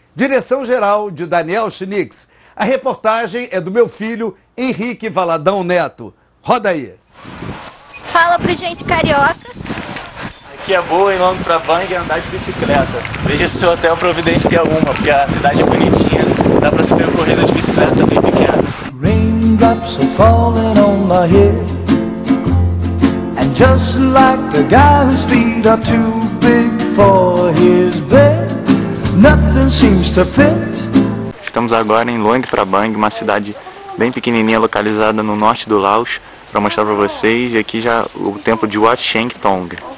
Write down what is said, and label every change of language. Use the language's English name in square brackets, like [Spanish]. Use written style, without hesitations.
[Portuguese] Direção geral de Daniel Schnix. A reportagem é do meu filho Henrique Valadão Neto. Roda aí. Fala pro gente carioca. Aqui é boa em Luang Prabang andar de bicicleta. Veja se o hotel providencia uma, porque a cidade é bonitinha. Dá pra subir uma corrida de bicicleta bem pequena. [English] Raindrops are falling on my head. And just like the guy whose feet are too big for his bed, nothing seems to fit. [Portuguese] Estamos agora em Luang Prabang, uma cidade bem pequenininha localizada no norte do Laos, para mostrar para vocês. E aqui já o templo de Wat Sheng Thong.